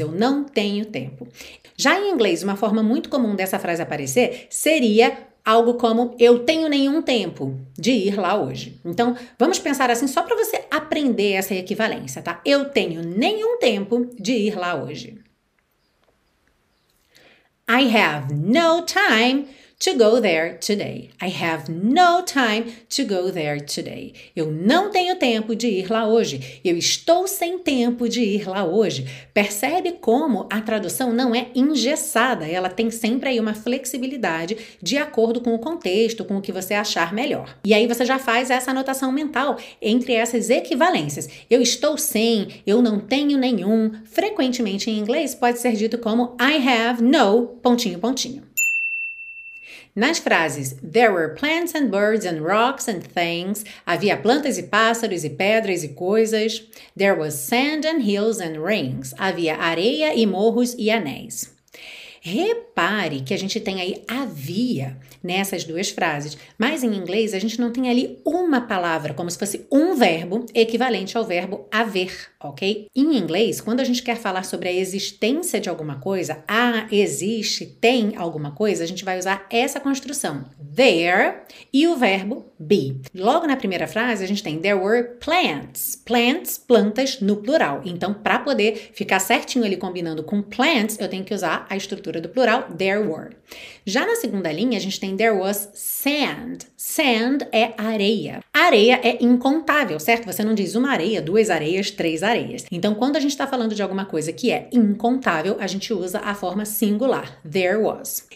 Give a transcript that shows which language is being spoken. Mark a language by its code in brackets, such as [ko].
[pt] Eu não tenho tempo. Já em inglês, uma forma muito comum dessa frase aparecer seria algo como eu tenho nenhum tempo de ir lá hoje. Então, vamos pensar assim só para você aprender essa equivalência, tá? Eu tenho nenhum tempo de ir lá hoje. [en] I have no time to go there today. I have no time to go there today. [pt] Eu não tenho tempo de ir lá hoje. Eu estou sem tempo de ir lá hoje. Percebe como a tradução não é engessada, ela tem sempre aí uma flexibilidade de acordo com o contexto, com o que você achar melhor. E aí você já faz essa anotação mental entre essas equivalências. Eu estou sem, eu não tenho nenhum. Frequentemente em inglês pode ser dito como [en] I have no, [pt] pontinho, pontinho. Nas frases [en] There were plants and birds and rocks and things, [pt] havia plantas e pássaros e pedras e coisas. [en] There was sand and hills and rings, [pt] havia areia e morros e anéis. Repare que a gente tem aí havia nessas duas frases, mas em inglês a gente não tem ali uma palavra, como se fosse um verbo equivalente ao verbo haver, ok? Em inglês, quando a gente quer falar sobre a existência de alguma coisa, ah, existe, tem alguma coisa, a gente vai usar essa construção, there, e o verbo be. Logo na primeira frase, a gente tem [en] there were plants, [pt] plants, plantas no plural. Então, para poder ficar certinho ali combinando com plants, eu tenho que usar a estrutura do plural, [en] there were. [pt] Já na segunda linha, a gente tem [en] there was sand. [pt] Sand é areia. Areia é incontável, certo? Você não diz uma areia, duas areias, três areias. Então, quando a gente está falando de alguma coisa que é incontável, a gente usa a forma singular, [en] there was.